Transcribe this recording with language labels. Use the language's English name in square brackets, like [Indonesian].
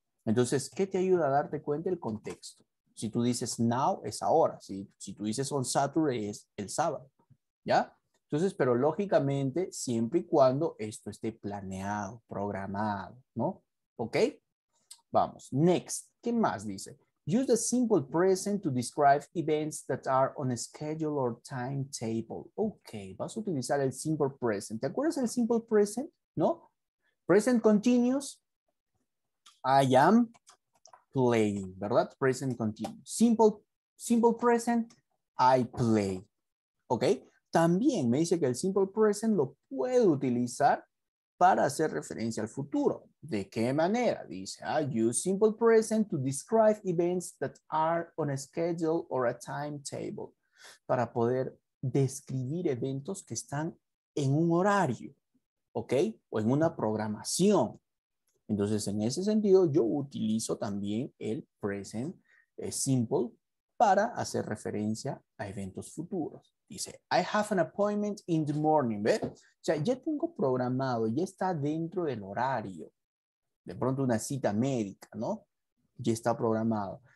[Spanish] Entonces, ¿qué te ayuda a darte cuenta? El contexto. Si tú dices now, es ahora. Si tú dices [English] on Saturday, [Spanish] es el sábado. ¿Ya? Entonces, pero lógicamente, siempre y cuando esto esté planeado, programado, ¿no? ¿Ok? Vamos. Next. ¿Qué más dice? [English] Use the simple present to describe events that are on a schedule or timetable. [Spanish] Ok. Vas a utilizar el simple present. ¿Te acuerdas del simple present? ¿No? [English] Present continuous. I am playing, [Spanish] ¿verdad? [English] Present continuous. Simple present, I play. ¿Ok? [Spanish] También me dice que el simple present lo puedo utilizar para hacer referencia al futuro. ¿De qué manera? Dice, [English] I use simple present to describe events that are on a schedule or a timetable. [Spanish] Para poder describir eventos que están en un horario. ¿Ok? O en una programación. Entonces, en ese sentido, yo utilizo también el present simple para hacer referencia a eventos futuros. Dice, [English] I have an appointment in the morning. [Spanish] ¿Ve? O sea, ya tengo programado, ya está dentro del horario. De pronto una cita médica, ¿no? Ya está programado.